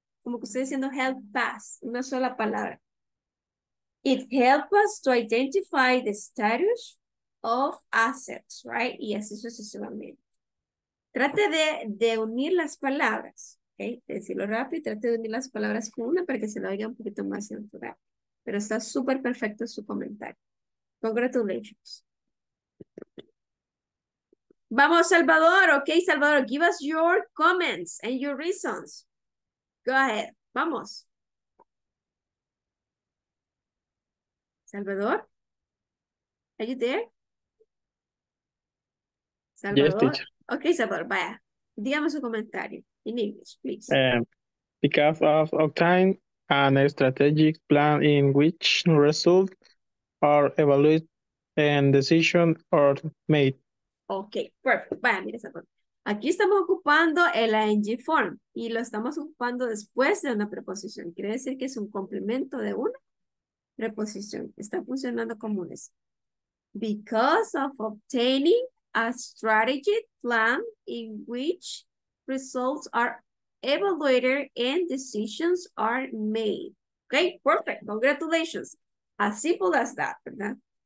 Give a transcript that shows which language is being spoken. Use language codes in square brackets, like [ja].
[es] Como que estoy diciendo [en] help us, [es] una sola palabra. [en] It helps us to identify the status of assets, right? [es] Y así sucesivamente. Trate de unir las palabras, ¿ok? De decirlo rápido y trate de unir las palabras con una para que se lo oiga un poquito más natural. Pero está súper perfecto su comentario. [en] Congratulations. [es] Vamos, Salvador, ¿ok? [en] Salvador, give us your comments and your reasons. Go ahead, [es] vamos. [en] Salvador, are you there? Salvador. Yes, teacher. [es] Okay, Salvador, vaya. Dígame su comentario. [en] In English, please. because of obtaining a strategic plan in which results are evaluated and decisions are made. Okay, perfect. [es] Vaya, mira esa parte. Aquí estamos ocupando el ing form y lo estamos ocupando después de una preposición. Quiere decir que es un complemento de una preposición. Está funcionando como es. [en] Because of obtaining a strategy plan in which results are evaluated and decisions are made. Okay, perfect. Congratulations. As simple as that, [es] ¿verdad?